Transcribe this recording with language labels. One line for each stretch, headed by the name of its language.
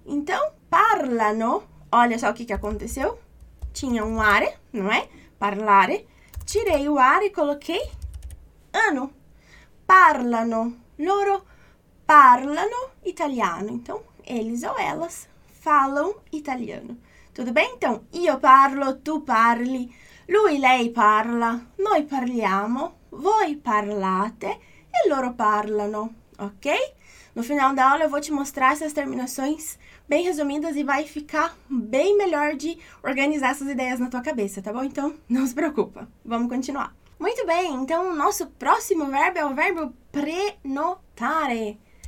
Portuguese: Então, parlano, olha só o que que aconteceu. Tinha um are, não é? Parlare. Tirei o are e coloquei ano. Parlano. Loro parlano italiano. Então, eles ou elas falam italiano. Tudo bem?
Italian: Então, io parlo, tu parli, lui, lei parla, noi parliamo, voi parlate e loro parlano.
Portuguese: Ok? No final da aula eu vou te mostrar essas terminações bem resumidas e vai ficar bem melhor de organizar essas ideias na tua cabeça, tá bom? Então, não se preocupa. Vamos continuar. Muito bem, então o nosso próximo verbo é o verbo prenotare.